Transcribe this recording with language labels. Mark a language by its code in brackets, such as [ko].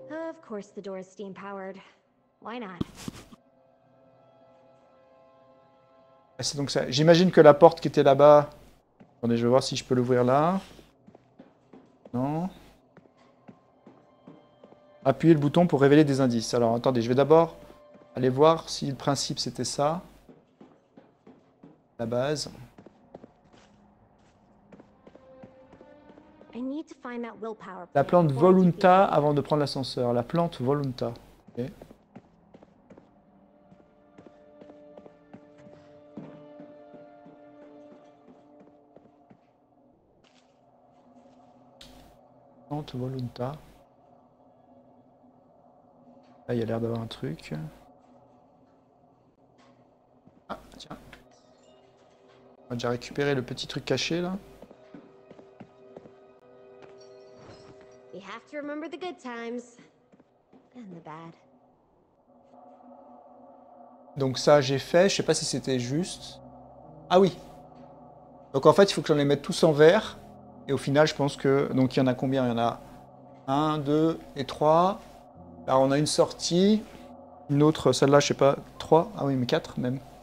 [en] Of course, the door is steam powered. Why not? [fr] C'est donc ça. J'imagine que la porte qui était là-bas. Attendez, je vais voir si je peux l'ouvrir là. Non. Appuyez le bouton pour révéler des indices. Alors, attendez, je vais d'abord aller voir si le principe c'était ça. La base. [en] I need to find that willpower. [fr] La plante Volunta avant de prendre l'ascenseur. La plante Volunta. Okay. Plante Volunta. Là, il y a l'air d'avoir un truc. Ah, tiens. On a déjà récupéré le petit truc caché, là. [en] We have to remember the good times and the bad. [fr] Donc ça j'ai fait, je sais pas si c'était juste. Ah oui. Donc en fait il faut que j'en les mette tous en vert. Et au final je pense que. Donc il y en a combien? Il y en a 1, 2 et 3. Alors on a une sortie. Une autre, celle-là, je sais pas. 3. Ah oui, mais 4 même.